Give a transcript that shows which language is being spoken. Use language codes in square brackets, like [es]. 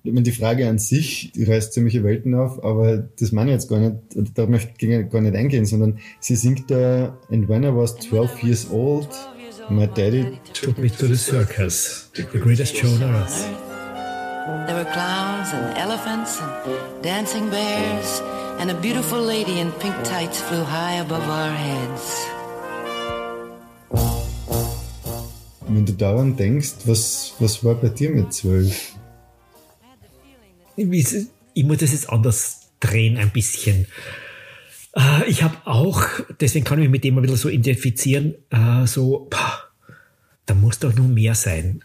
[de] Ich meine, die Frage an sich, die reißt ziemliche Welten auf, aber das meine ich jetzt gar nicht, da möchte ich gar nicht eingehen, sondern sie singt da, [en] and when I was 12 years old, my daddy took me to the circus, the greatest show on earth. There were clowns and elephants and dancing bears and a beautiful lady in pink tights flew high above our heads. [de] Wenn du daran denkst, was war bei dir mit 12? Ich muss das jetzt anders drehen ein bisschen. Ich habe auch, deswegen kann ich mich mit dem ein bisschen so identifizieren, so, pah, da muss doch noch mehr sein.